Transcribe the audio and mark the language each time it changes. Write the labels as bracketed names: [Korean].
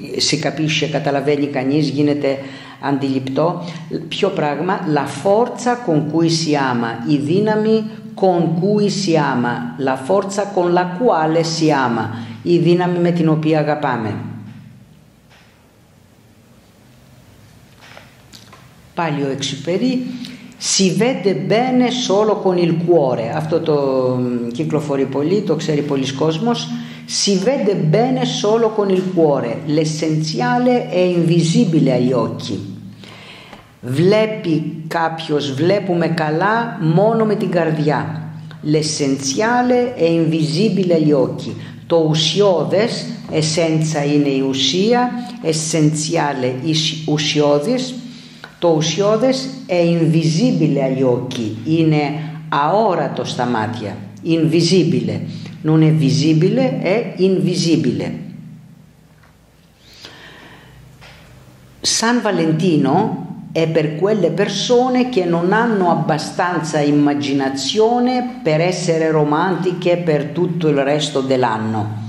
[Italian] si capisce, [Greek] καταλαβαίνει κανείς, γίνεται αντιληπτό, ποιο πράγμα, [Italian] la forza con cui si ama, [Greek] η δύναμη [Italian] con cui si ama, la forza con la quale si ama, [Greek] η δύναμη με την οποία αγαπάμε. Πάλι ο Εξουπερί, [Italian] si vede bene solo con il cuore, [Greek] αυτό το κυκλοφορεί πολύ, το ξέρει πολλοί κόσμος, [Italian] si vede bene solo con il cuore, l'essenziale è invisibile agli occhi. [Greek] Βλέπει κάποιος, βλέπουμε καλά μόνο με την καρδιά. [Italian] L'essenziale è invisibile agli occhi. [Greek] Το ουσιώδες, essenza είναι η ουσία, essenziale, ουσιώδης. Το ουσιώδες [Italian] è invisibile agli occhi, [Greek] είναι αόρατο στα μάτια. [Italian] Invisibile, non è visibile, è invisibile. San Valentino è per quelle persone che non hanno abbastanza immaginazione per essere romantiche per tutto il resto dell'anno.